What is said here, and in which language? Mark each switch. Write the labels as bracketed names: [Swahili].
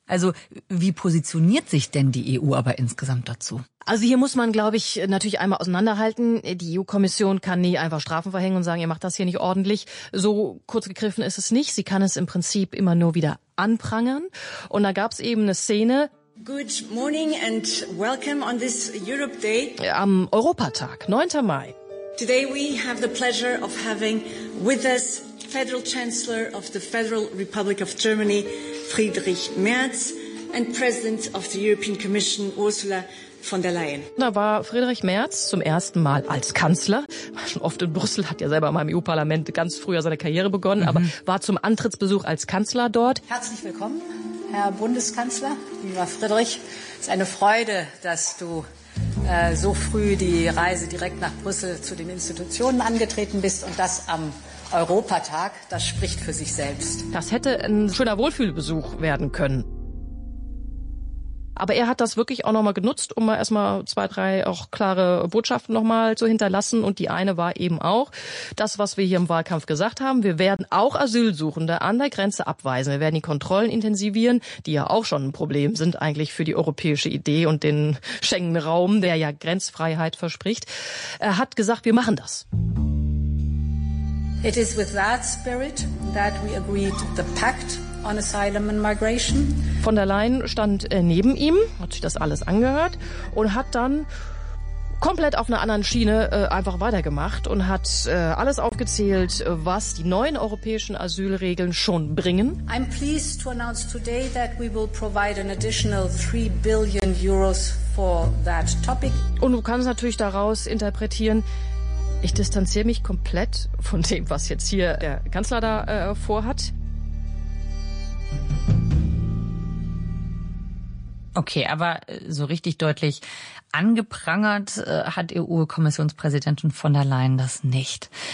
[German] Also wie positioniert sich denn die EU aber insgesamt dazu? Also hier muss man, glaube ich, natürlich einmal auseinanderhalten. Die EU-Kommission kann nie einfach Strafen verhängen und sagen, ihr macht das hier nicht ordentlich. So kurz gegriffen ist es nicht. Sie kann es im Prinzip immer nur wieder anprangern. Und da gab es eben eine Szene. [English] Good morning and welcome on this Europe Day. [German] Am Europatag, 9. Mai. [English] Today we have the pleasure of having with us Federal Chancellor of the Federal Republic of Germany, Friedrich Merz, and President of the European Commission, Ursula von der Leyen. [German] Da war Friedrich Merz zum ersten Mal als Kanzler. Schon oft in Brüssel, hat ja selber mal im EU-Parlament ganz früher seine Karriere begonnen, aber war zum Antrittsbesuch als Kanzler dort. Herzlich willkommen, Herr Bundeskanzler, lieber Friedrich. Es ist eine Freude, dass du so früh die Reise direkt nach Brüssel zu den Institutionen angetreten bist und das am Europatag, das spricht für sich selbst. Das hätte ein schöner Wohlfühlbesuch werden können. Aber er hat das wirklich auch nochmal genutzt, um mal erstmal zwei, drei auch klare Botschaften nochmal zu hinterlassen. Und die eine war eben auch das, was wir hier im Wahlkampf gesagt haben. Wir werden auch Asylsuchende an der Grenze abweisen. Wir werden die Kontrollen intensivieren, die ja auch schon ein Problem sind eigentlich für die europäische Idee und den Schengen-Raum, der ja Grenzfreiheit verspricht. Er hat gesagt, wir machen das. [English] It is with that spirit that we agreed the pact on asylum and migration. [German] Von der Leyen stand neben ihm, hat sich das alles angehört und hat dann komplett auf einer anderen Schiene einfach weitergemacht und hat alles aufgezählt, was die neuen europäischen Asylregeln schon bringen. [English] I'm pleased to announce today that we will provide an additional 3 billion euros for that topic. [German] Und du kannst natürlich daraus interpretieren, ich distanziere mich komplett von dem, was jetzt hier der Kanzler da vorhat. Okay, aber so richtig deutlich angeprangert hat EU-Kommissionspräsidentin von der Leyen das nicht.